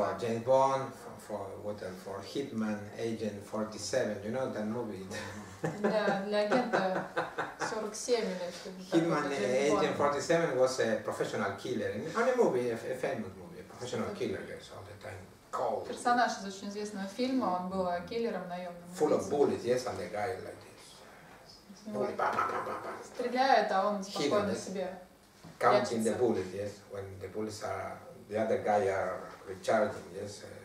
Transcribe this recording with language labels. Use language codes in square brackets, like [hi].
[en] That is for James Bond. For Hitman Agent 47, you know that movie? [ru] Для агента 47 или что-то. [en] Hitman Agent 47 was a professional killer. On a movie, a famous movie, a professional killer, yes, all the time. Cold. [ru] Персонаж из очень известного фильма, он был киллером наемным. [en] Full of bullets, yes, and the guy like this. [ru] Стреляет, а он спокойно себе. [en] Counting the bullets, yes, when the bullets are, the other guy are recharging, yes.